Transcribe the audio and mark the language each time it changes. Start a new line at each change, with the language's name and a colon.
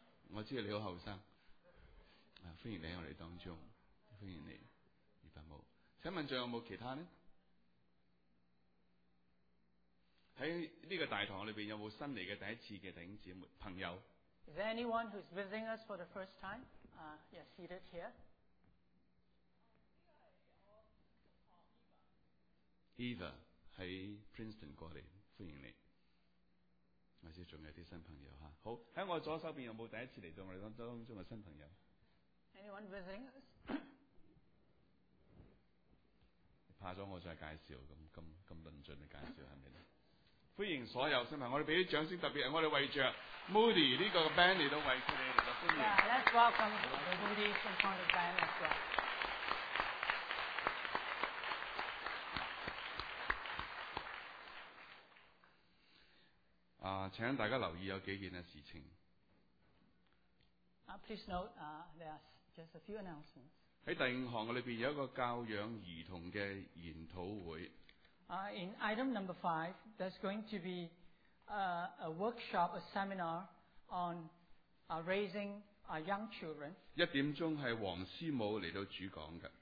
Chinese: 我知道你很后生。欢迎你在我们当中。欢迎你余伯母。请问还有没有其他呢？在这个大堂里面有没有新来的第一次的弟兄姊妹朋友？
English: Is there anyone who is visiting us for the first time? You're seated here.
Chinese: Eva, 在 Princeton 过来，欢迎你。我知道还有一些新朋友。好，在我左手边有没有第一次来到我们当中的新朋友？
English: Anyone visiting us？
Chinese: 怕了我再介绍，这么论尽的介绍，是不是？欢迎所有新朋友，我们给他掌声，特别是我们为着 Moody 这个 band 来到为他们来到欢迎。
English: Yeah, let's welcome the Moody Symphonic Band as well.
Chinese: 请大家留意有几件事情。
English: Please note, there are just a few announcements.
Chinese: 在第五项里面有一个教养儿童的研讨会。
English: In item number five, there's going to be a workshop, a seminar on raising our young children.
Chinese: 一点钟是黄师母来到主讲的。